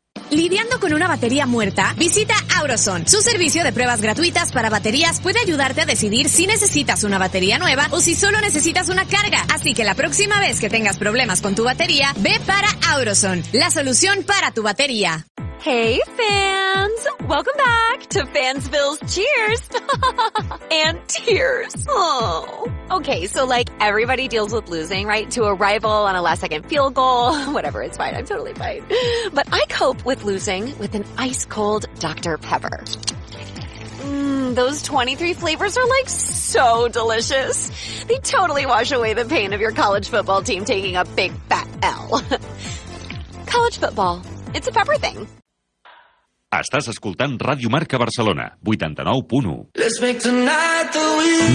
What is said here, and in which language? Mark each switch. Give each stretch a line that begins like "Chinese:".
Spanish: ¿Lidiando con una batería muerta? Visita AuroZone. Su servicio de pruebas gratuitas para baterías puede ayudarte a decidir si necesitas una batería nueva o si solo necesitas una carga. Así que la próxima vez que tengas problemas con tu batería, ve para AuroZone, la solución para tu batería.
English: Hey fans, welcome back to Fansville's Cheers and Tears. Oh. Okay, so like everybody deals with losing, right? To a rival on a last second field goal, whatever, it's fine, I'm totally fine. But I cope with losing with an ice cold Dr. Pepper. Those 23 flavors are like so delicious. They totally wash away the pain of your college football team taking a big fat L. college football. It's a pepper thing.
Catalan: Estàs escoltant Ràdio Marca Barcelona, 89.1.